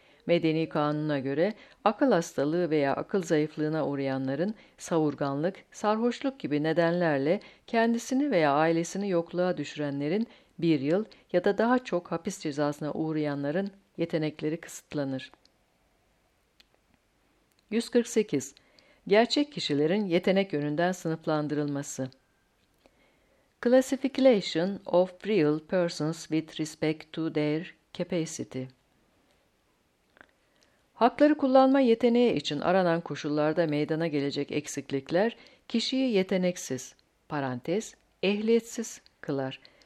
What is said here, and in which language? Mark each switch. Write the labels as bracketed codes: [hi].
[tr] Medeni kanuna göre akıl hastalığı veya akıl zayıflığına uğrayanların savurganlık, sarhoşluk gibi nedenlerle kendisini veya ailesini yokluğa düşürenlerin bir yıl ya da daha çok hapis cezasına uğrayanların yetenekleri kısıtlanır. 148. Gerçek kişilerin yetenek yönünden sınıflandırılması. [en] Classification of real persons with respect to their capacity. [tr] Hakları kullanma yeteneği için aranan koşullarda meydana gelecek eksiklikler kişiyi yeteneksiz, parantez, ehliyetsiz kılar.